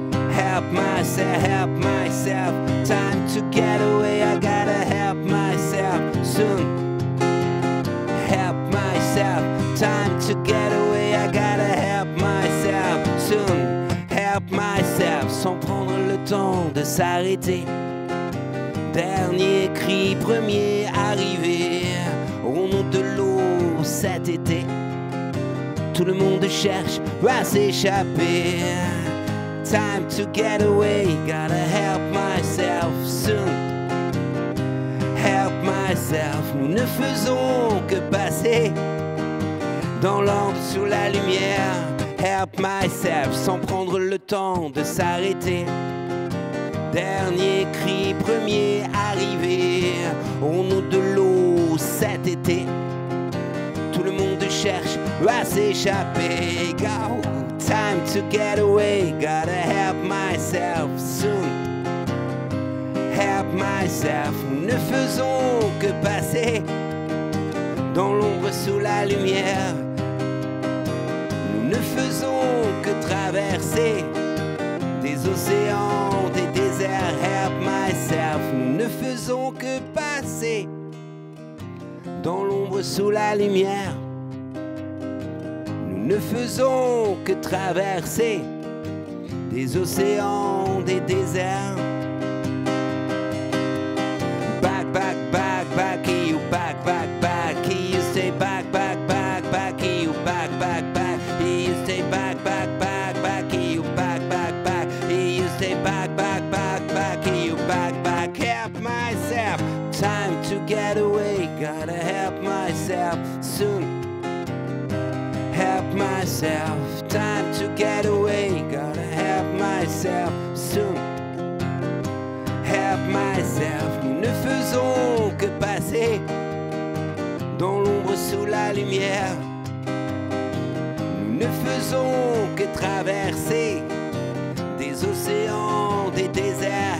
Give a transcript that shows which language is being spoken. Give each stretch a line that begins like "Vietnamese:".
English: Help myself, time to get away. I gotta help myself soon. Help myself, time to get away. I gotta help myself soon. Help myself,
French: sans prendre le temps de s'arrêter. Dernier cri, premier arrivé. Au nom de l'eau cet été, tout le monde cherche à s'échapper.
English: Time to get away, gotta help myself soon. Help myself,
French: nous ne faisons que passer dans l'ombre sous la lumière.
English: Help myself,
French: sans prendre le temps de s'arrêter. Dernier cri, premier arrivé. Au nom de l'eau cet été, tout le monde cherche à s'échapper.
English: Go. Time to get away, gotta help myself soon. Help myself,
French: nous ne faisons que passer dans l'ombre sous la lumière. Nous ne faisons que traverser des océans, des déserts.
English: Help myself,
French: nous ne faisons que passer dans l'ombre sous la lumière. Ne faisons que traverser des océans, des déserts.
English: Back, back, back, back, you back, back, back, you stay back, back, back, back, you back, back, back, you stay back, back, back, back, you back, back, back, you stay back, back, back, back, you back, back. Help myself, time to get away, gotta help myself soon. Help myself, time to get away. Gotta help myself soon. Help myself,
French: nous ne faisons que passer dans l'ombre sous la lumière. Nous ne faisons que traverser des océans, des déserts.